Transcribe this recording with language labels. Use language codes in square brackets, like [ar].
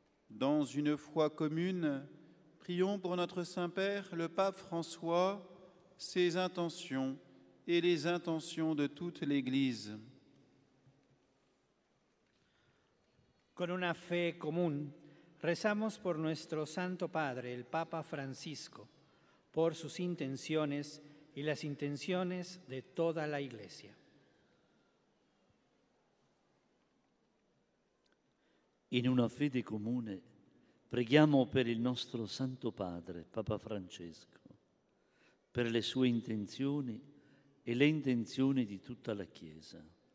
[fr] dans une foi commune, prions pour notre Saint-Père, le Pape François, ses intentions et les intentions de toute l'Église. [es] Con una fe común, rezamos por nuestro Santo Padre, el Papa Francisco, por sus intenciones y las intenciones de toda la Iglesia. [it] In una fede comune, preghiamo per il nostro Santo Padre, Papa Francesco, per le sue intenzioni e le intenzioni di tutta la Chiesa.